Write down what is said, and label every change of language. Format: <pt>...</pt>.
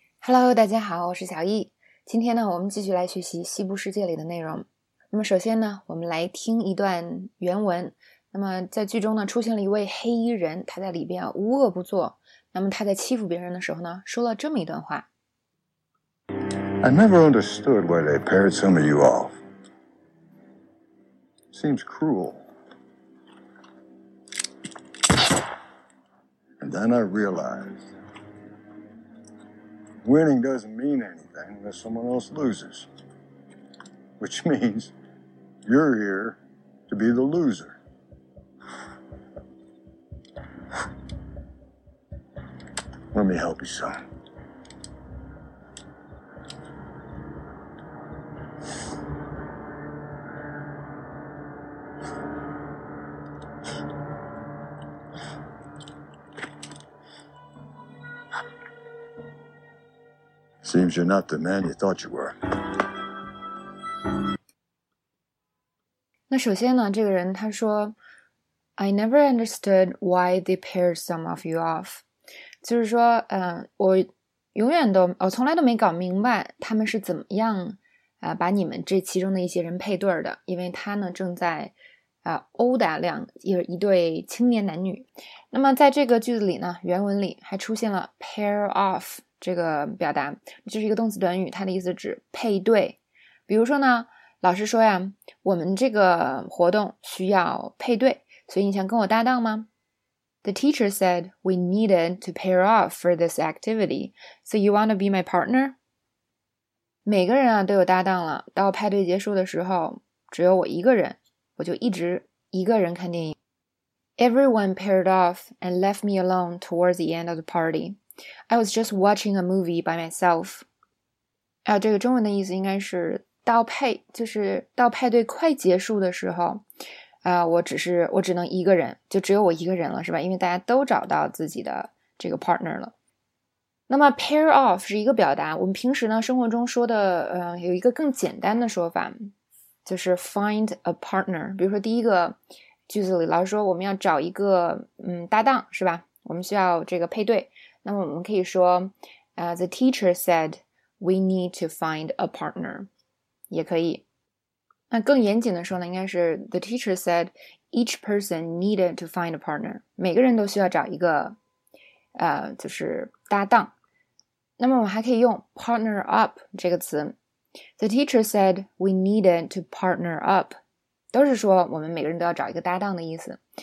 <zh>Hello，大家好，我是小易。今天呢，我们继续来学习《西部世界》里的内容。那么，首先呢，我们来听一段原文。那么，在剧中呢，出现了一位黑衣人，他在里边啊无恶不作。那么，他在欺负别人的时候呢，说了这么一段话</zh> <en>：“I never understood why they paired some of you off. Seems cruel. And then I realized.” Winning doesn't mean anything unless someone else loses. Which means you're here to be the loser. Let me help you, son. Seems you're not the man you thought you were.</en> <zh>那首先呢，这个人他说</zh> <en>，I never understood why they paired some of you off.</en> <zh>就是说，我永远都，我从来都没搞明白他们是怎么样，把你们这其中的一些人配对的。因为他呢正在，殴打一对青年男女。那么在这个句子里呢，原文里还出现了 pair off。这个表达就是一个动词短语，它的意思指配对。比如说呢，老师说呀，我们这个活动需要配对，所以你想跟我搭档吗？</zh> <en>The teacher said we needed to pair off for this activity, so you want to be my partner?</en> <zh>每个人啊都有搭档了，到派对结束的时候，只有我一个人，我就一直一个人看电影。</zh> <en>Everyone paired off and left me alone towards the end of the party. I was just watching a movie by myself.</en> <zh>啊，这个中文的意思应该是到派对快结束的时候，我只能一个人，就只有我一个人了，是吧？因为大家都找到自己的这个 partner 了。那么 pair off 是一个表达，我们平时呢生活中说的，有一个更简单的说法，就是</zh> <en>find a partner。</en> <zh>比如说第一个句子里，老师说我们要找一个搭档，是吧？我们需要这个配对。那么我们可以说</zh> <en>the teacher said we need to find a partner 也可以。</en> <zh>那更严谨的说呢，应该是</zh> <en>the teacher said each person needed to find a partner，</en> <zh>每个人都需要找一个就是搭档。那么我们还可以用 partner up 这个词，</zh> <en>the teacher said we needed to partner up，</en> <zh>都是说我们每个人都要找一个搭档的意思。</zh>